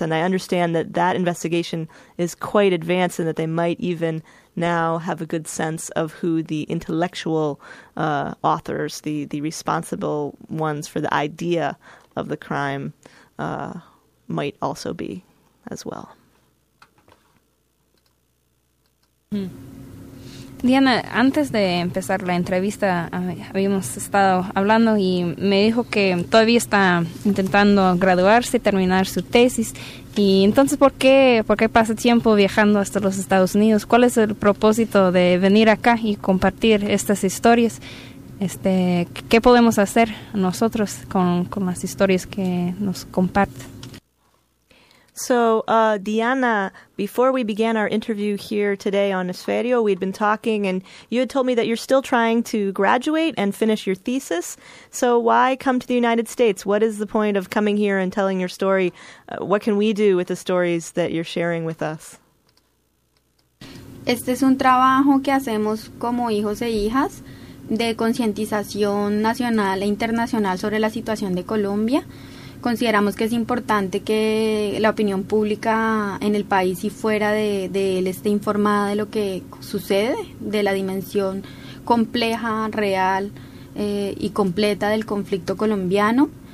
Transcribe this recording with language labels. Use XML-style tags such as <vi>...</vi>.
<en>And I understand that that investigation is quite advanced and that they might even now have a good sense of who the intellectual authors, the responsible ones for the idea of the crime might also be as well.</en> <es>Diana, antes de empezar la entrevista habíamos estado hablando y me dijo que todavía está intentando graduarse, terminar su tesis. Y entonces, ¿por qué pasa tiempo viajando hasta los Estados Unidos? ¿Cuál es el propósito de venir acá y compartir estas historias? ¿Qué podemos hacer nosotros con las historias que nos comparte?</es> <en>So, Diana, before we began our interview here today on Esferio, we'd been talking and you had told me that you're still trying to graduate and finish your thesis. So why come to the United States? What is the point of coming here and telling your story? What can we do with the stories that you're sharing with us?</en> <es>Este es un trabajo que hacemos como hijos e hijas de concientización nacional e internacional sobre la situación de Colombia. Consideramos que es importante que la opinión pública en el país y fuera de él esté informada de lo que sucede, de la dimensión compleja, real y completa del conflicto colombiano.</es>